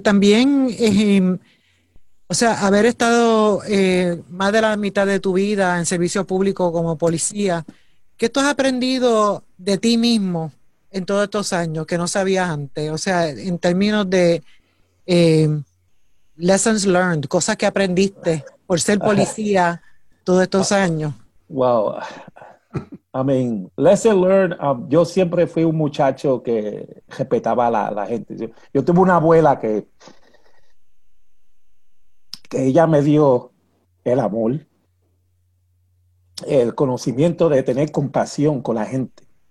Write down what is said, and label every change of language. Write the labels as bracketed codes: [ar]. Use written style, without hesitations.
[es] También es o sea, haber estado más de la mitad de tu vida en servicio público como policía, ¿qué tú has aprendido de ti mismo en todos estos años que no sabías antes? O sea, en términos de [en] lessons learned, [es] cosas que aprendiste por ser policía todos estos años. [en] Wow, I mean, lesson learned. [es] Yo siempre fui un muchacho que respetaba a la gente. Yo tuve una abuela que ella me dio el amor, el conocimiento de tener compasión con la gente.